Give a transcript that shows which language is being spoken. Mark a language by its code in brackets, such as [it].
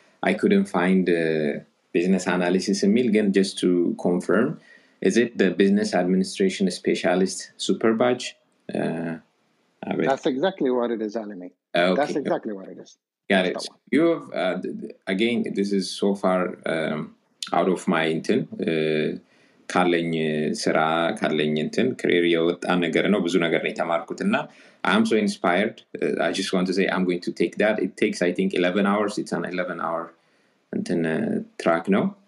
[en] I couldn't find business analysis emil again just to confirm, is it the business administration specialist super badge? That's exactly what it is, Alimi. Okay. That's exactly what it is. Got it. You have, again, this is so far out of my intent. [am] ካለኝ ስራ ካለኝ እንትን ክሬር የወጣ ነገር ነው ብዙ ነገር ነው የተማርኩት እና [en] I'm so inspired. I just want to say I'm going to take that. It takes, I think, 11 hours. It's an 11-hour እንትን track, no?